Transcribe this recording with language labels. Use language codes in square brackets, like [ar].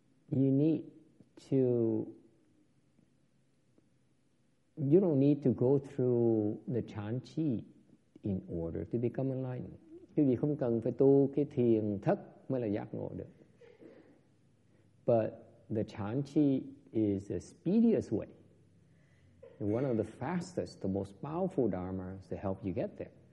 [en] You don't need to go through the chan chi in order to become enlightened. [vi] Quý vị không cần phải tu cái thiền thất mới là giác ngộ được. [en] But the chan chi is the speediest way. One of the fastest, the most powerful dharmas to help you get there.